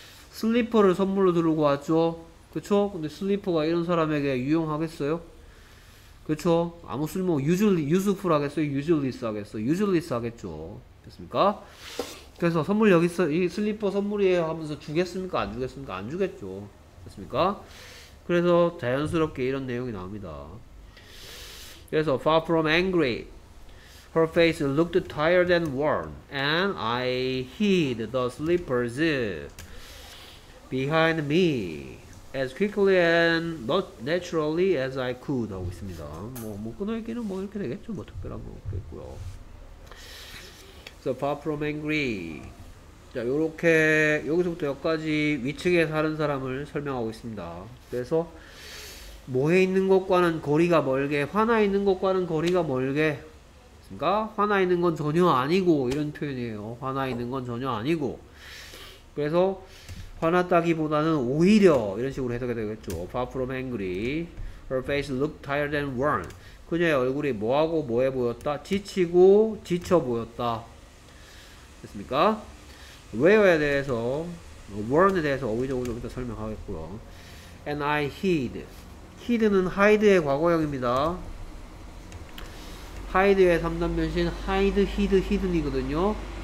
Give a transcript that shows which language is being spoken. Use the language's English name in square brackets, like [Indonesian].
[Korean] 슬리퍼를 선물로 들고 왔죠. 그쵸? 근데 슬리퍼가 이런 사람에게 유용하겠어요? 그쵸? 아무 쓸모, 유즈풀 하겠어요? 유즈리스 하겠어? 유즈리스 하겠죠. 됐습니까? 그래서 선물 여기 있어. 이 슬리퍼 선물이에요 하면서 주겠습니까? 안 주겠습니까? 안 주겠죠. 됐습니까? 그래서 자연스럽게 이런 내용이 나옵니다. [English] 그래서 far from angry, her face looked tired and worn, and I hid the slippers behind me. As quickly and not naturally as I could [Korean] 하고 있습니다. 뭐 끊어있기는 뭐 이렇게 되겠죠. 뭐 특별한 거 없겠고요. [English] So far from angry. [Korean] 자, 요렇게 여기서부터 여기까지 위층에 사는 사람을 설명하고 있습니다. 그래서 뭐에 있는 것과는 거리가 멀게, 화나 있는 것과는 거리가 멀게. 그러니까 화나 있는 건 전혀 아니고 이런 표현이에요. 화나 있는 건 전혀 아니고. 그래서 화났다기보다는 오히려 이런 식으로 해석이 되겠죠. [English] Far from angry, her face looked tired and worn. [Korean] 그녀의 얼굴이 뭐하고 뭐해 보였다? 지치고 지쳐 보였다. 됐습니까? Where에 대해서, worn에 대해서 어휘적으로 좀 이따 설명하겠고요. [English] And I hid. [Korean] Hid는 hide의 과거형입니다. Hide의 3단 변신 hide, hid, hidden이거든요.